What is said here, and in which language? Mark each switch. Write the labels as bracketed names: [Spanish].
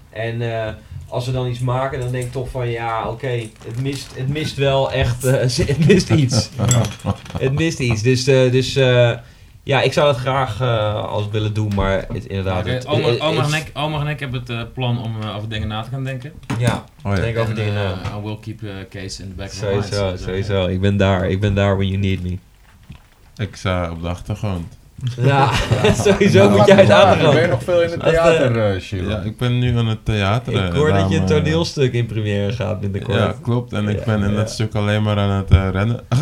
[Dutch] En als we dan iets maken, dan denk ik toch van, ja, oké, het mist wel echt, het mist iets. Ja. Het mist iets, dus ja, ik zou dat graag als willen doen, maar het, inderdaad... Okay, Omar en ik hebben het plan om over dingen na te gaan denken. Ja, denk over dingen na. [English] I will keep a case in the back of my mind. [Dutch] Sowieso, okay. Ik ben daar [English] when you need me. [Dutch] Ik sta op de achtergrond. Ja, sowieso ja, moet jij het aangaan. Ben je nog veel in het theater, Sheila? Ja, ik ben nu aan het theater. Ik hoor dat je een toneelstuk in première gaat binnenkort. Ja, klopt. En ik ben in dat stuk alleen maar aan het rennen.